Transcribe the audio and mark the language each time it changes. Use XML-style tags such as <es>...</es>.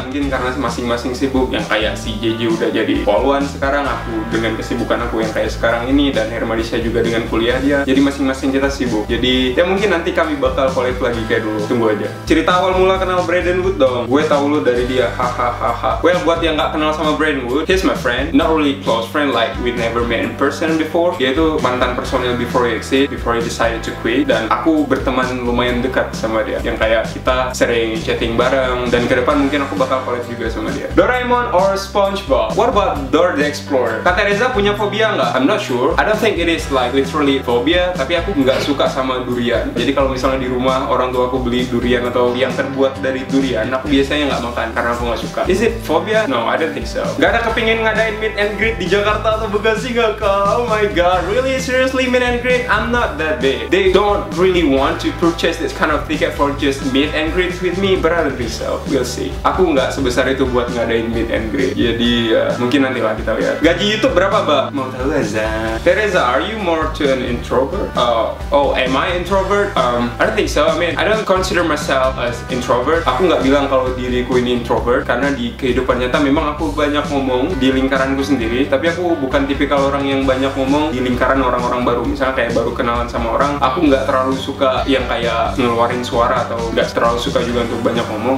<id>Mungkin karena masing-masing sibuk, yang kayak si JJ udah jadi poluan sekarang, aku dengan kesibukan aku yang kayak sekarang ini, dan Hermadisha juga dengan kuliah dia. Jadi masing-masing kita sibuk. Jadi, ya mungkin nanti kami bakal collab lagi kayak dulu. Tunggu aja. Cerita awal mula kenal Braden Wood dong. Gue tahu lu dari dia, hahaha. Well, buat yang gak kenal sama Braden Wood,</id> <en>he's my friend. Not really close friend, like we never met in person before.</en> <id>Dia itu mantan personil Before You Exit, Before You Decided to Quit. Dan aku berteman lumayan dekat sama dia, yang kayak kita sering chatting bareng. Dan ke depan mungkin aku bakal collab juga sama dia.</id> <en>Doraemon or SpongeBob? What about Dora the Explorer?</en> <id>Kak Teresa punya fobia nggak?</id> <en>I'm not sure. I don't think it is like literally fobia.</en> <id>Tapi aku nggak suka sama durian. Jadi kalau misalnya di rumah orang tua aku beli durian atau yang terbuat dari durian, aku biasanya nggak makan karena aku nggak suka.</id> <en>Is it fobia? No, I don't think so.</en> <id>Gak ada kepingin ngadain meet and greet di Jakarta atau Bekasi nggak, kak?</id> <en>Oh my god, really? Seriously, meet and greet? I'm not that big. They don't really want to purchase this kind of ticket for just meet and greet with me, but I don't think so. We'll see.</en> <id>Aku nggak sebesar itu buat ngadain meet and greet. Jadi, mungkin nanti lah kita lihat. Gaji YouTube berapa, Mbak? Mau tahu aja.</id> <en>Teresa, are you more to an introvert? Am I introvert? I don't think so. I mean, I don't consider myself as introvert.</en> <id>Aku nggak bilang kalau diriku ini introvert, karena di kehidupan nyata memang aku banyak ngomong di lingkaranku sendiri. Tapi aku bukan tipikal orang yang banyak ngomong di lingkaran orang-orang baru. Misalnya kayak baru kenalan sama orang, aku nggak terlalu suka yang kayak ngeluarin suara atau nggak terlalu suka juga untuk banyak ngomong.</id>